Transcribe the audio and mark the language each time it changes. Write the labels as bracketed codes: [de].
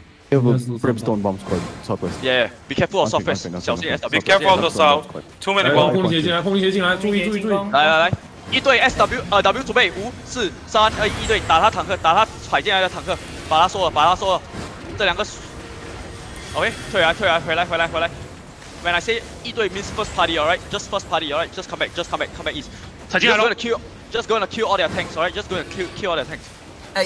[en] We have a brimstone bomb squad, southwest. Yeah, be careful of southwest. Be careful of the south. Too many bombs. [zh] 红鞋进来，注意。来，一队 SW， 准备5、4、3、2，一队打他坦克，打他踩进来的坦克，把他收了。这两个 ，OK， 退来，回来。 [en] When I say 一队 means first party, alright? Just first party, alright? Just come back east. [zh] 踩进来了。 [en] Just gonna kill all their tanks, alright? Just gonna kill all their tanks.